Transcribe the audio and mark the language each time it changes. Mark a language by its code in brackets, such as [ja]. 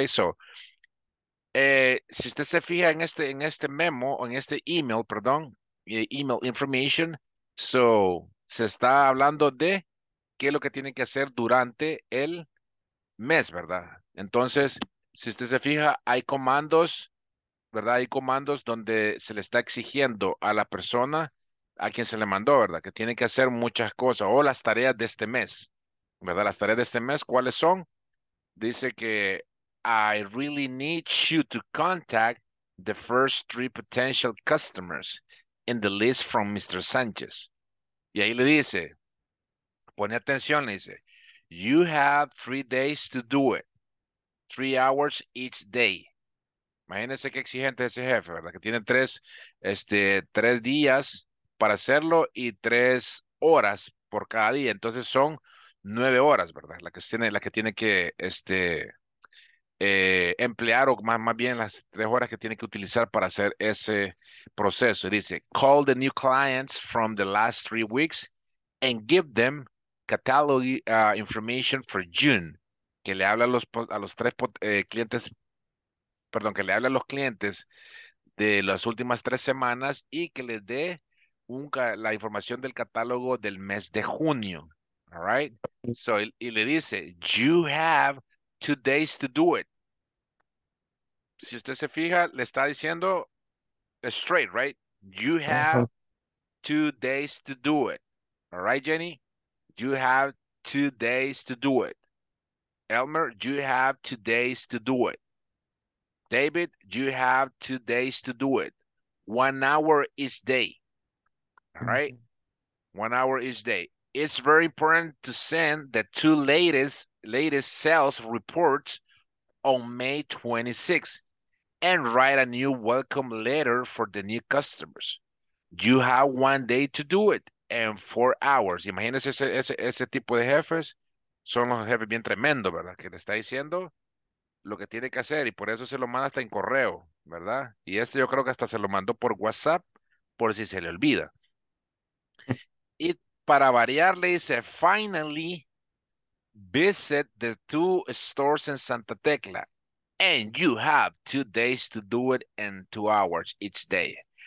[es] So, si usted se fija en este memo, en este email, perdón, [en] email information, [es] so, se está hablando de qué es lo que tiene que hacer durante el mes, ¿verdad? Entonces, si usted se fija, hay comandos, ¿verdad? Hay comandos donde se le está exigiendo a la persona a quien se le mandó, ¿verdad? Que tiene que hacer muchas cosas o las tareas de este mes, ¿verdad? Las tareas de este mes, ¿cuáles son? Dice que [en] I really need you to contact the first three potential customers in the list from Mr. Sanchez. [es] Y ahí le dice, [en] pone atención, le dice, you have 3 days to do it, 3 hours each day. [es] Imagínense qué exigente es ese jefe, ¿verdad? Que tiene tres días para hacerlo y 3 horas por cada día. Entonces son 9 horas, ¿verdad? La que tiene que emplear o más bien las 3 horas que tiene que utilizar para hacer ese proceso. Y dice, [en] call the new clients from the last 3 weeks and give them catalog information for June. [es] Que le habla a los clientes de las últimas 3 semanas y que les dé la información del catálogo del mes de junio. [en] All right? So, [es] y le dice, [en] you have 2 days to do it. [es] Si usted se fija, le está diciendo [en] straight, right? You have 2 days to do it. All right, Jenny? You have 2 days to do it. Elmer, you have 2 days to do it. David, you have 2 days to do it. 1 hour each day. All right? Mm-hmm. 1 hour each day. It's very important to send the two latest sales reports on May 26th and write a new welcome letter for the new customers. You have 1 day to do it and 4 hours. [es] Imagínese ese tipo de jefes. Son los jefes bien tremendo, ¿verdad? Que le está diciendo lo que tiene que hacer y por eso se lo manda hasta en correo, ¿verdad? Y este yo creo que hasta se lo mandó por WhatsApp por si se le olvida. Y para variar le dice, [en] finally visit the 2 stores in Santa Tecla and you have 2 days to do it and 2 hours each day.